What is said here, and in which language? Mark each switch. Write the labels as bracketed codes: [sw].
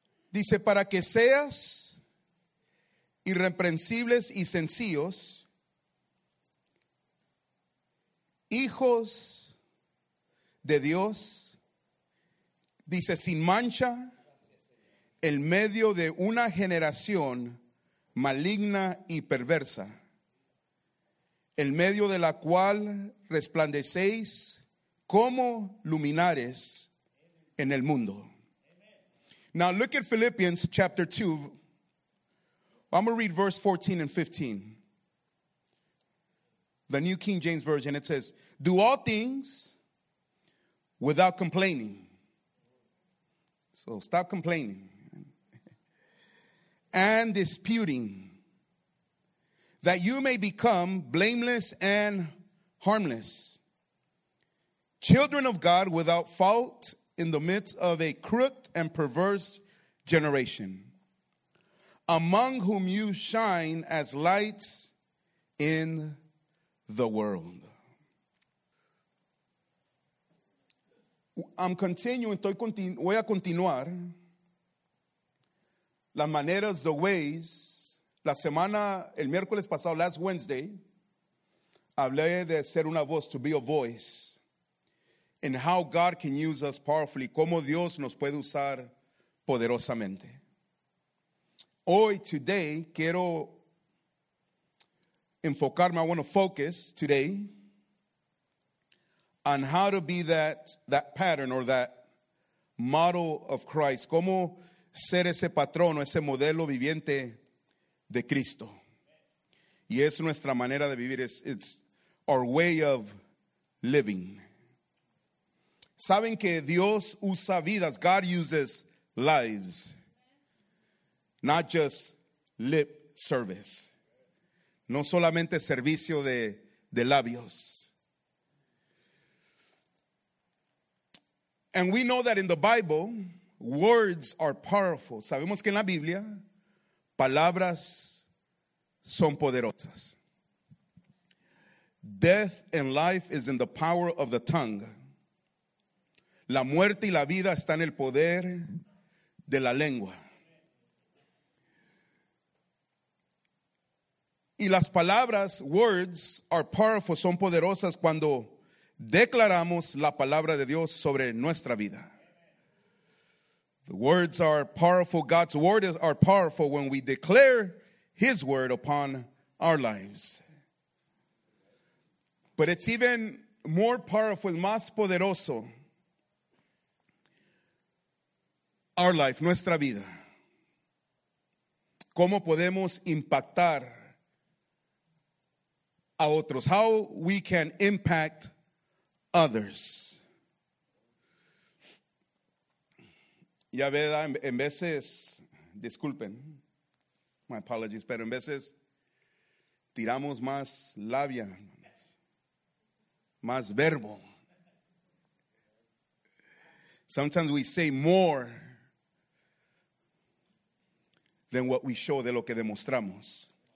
[es] Dice, para que seas irreprensibles y sencillos, hijos de Dios, dice, sin mancha, en medio de una generación maligna y perversa, en medio de la cual resplandecéis como luminares en el mundo. [en] Now look at Philippians chapter 2. I'm going to read verse 14 and 15. The New King James Version, it says, do all things without complaining. So stop complaining and disputing, that you may become blameless and harmless, children of God without fault in the midst of a crooked and perverse generation, among whom you shine as lights in the world. I'm continuing, [es] voy a continuar. Las maneras, [en] the ways. [es] La semana, el miércoles pasado, [en] last Wednesday, [es] hablé de ser una voz, [en] to be a voice. And how God can use us powerfully. [es] Cómo Dios nos puede usar poderosamente. Hoy, [en] today, [es] quiero enfocarme, [en] I want to focus today, on how to be that pattern or that model of Christ. [es] Cómo ser ese patrón o ese modelo viviente de Cristo. Y es nuestra manera de vivir. [en] It's our way of living. [es] Saben que Dios usa vidas. [en] God uses lives. Not just lip service. [es] No solamente servicio de labios. [en] And we know that in the Bible, words are powerful. [es] Sabemos que en la Biblia, palabras son poderosas. [en] Death and life is in the power of the tongue. [es] La muerte y la vida está en el poder de la lengua. Y las palabras, [en] words, are powerful, [es] son poderosas cuando declaramos la palabra de Dios sobre nuestra vida. [en] The words are powerful. God's words are powerful when we declare His word upon our lives. But it's even more powerful, [es] más poderoso, [en] our life, [es] nuestra vida. ¿Cómo podemos impactar a otros? [en] How we can impact others. [es] Y a verdad, en veces, disculpen, [en] my apologies, [es] pero en veces tiramos más labia, más verbo. [en] Sometimes we say more than what we show, [es] de lo que demostramos.